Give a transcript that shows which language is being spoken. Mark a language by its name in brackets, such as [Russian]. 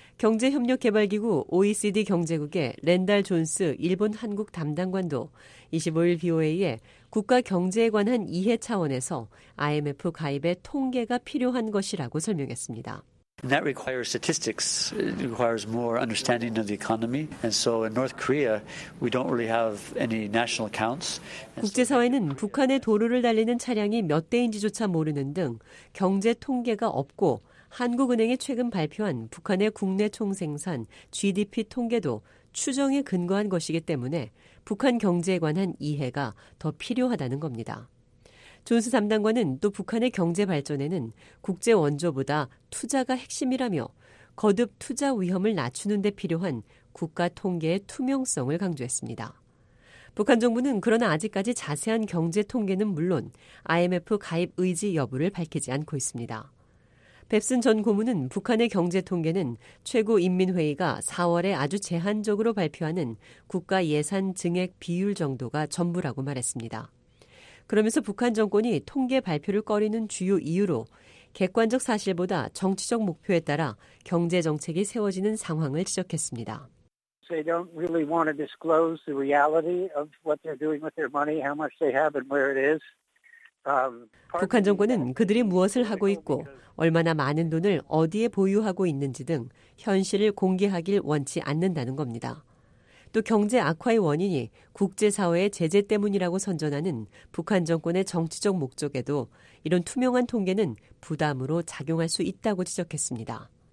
[Korean] 경제협력개발기구 OECD 경제국의 랜달 존스 일본 한국 담당관도 25일 BOA에 국가 경제에 관한 이해 차원에서 IMF 가입의 통계가 필요한 것이라고 설명했습니다. [English] That requires statistics. It requires more understanding of the economy. And so in North Korea, we don't really have any national accounts. [Korean] 국제사회는 북한의 도로를 달리는 차량이 몇 대인지조차 모르는 등 경제 통계가 없고 한국은행이 최근 발표한 북한의 국내 총생산 GDP 통계도 추정에 근거한 것이기 때문에 북한 경제에 관한 이해가 더 필요하다는 겁니다. 존스 담당관은 또 북한의 경제 발전에는 국제 원조보다 투자가 핵심이라며 거듭 투자 위험을 낮추는 데 필요한 국가 통계의 투명성을 강조했습니다. 북한 정부는 그러나 아직까지 자세한 경제 통계는 물론 IMF 가입 의지 여부를 밝히지 않고 있습니다. 뱁슨 전 고문은 북한의 경제 통계는 최고인민회의가 4월에 아주 제한적으로 발표하는 국가 예산 증액 비율 정도가 전부라고 말했습니다. 그러면서 북한 정권이 통계 발표를 꺼리는 주요 이유로 객관적 사실보다 정치적 목표에 따라 경제 정책이 세워지는 상황을 지적했습니다. [English] They don't really want to disclose the reality of what they're doing with their money, how much they have and where it is. [Korean] 북한 정권은 그들이 무엇을 하고 있고 얼마나 많은 돈을 어디에 보유하고 있는지 등 현실을 공개하길 원치 않는다는 겁니다. 또 경제 악화의 원인이 국제사회의 제재 때문이라고 선전하는 북한 정권의 정치적 목적에도 이런 투명한 통계는 부담으로 작용할 수 있다고 지적했습니다.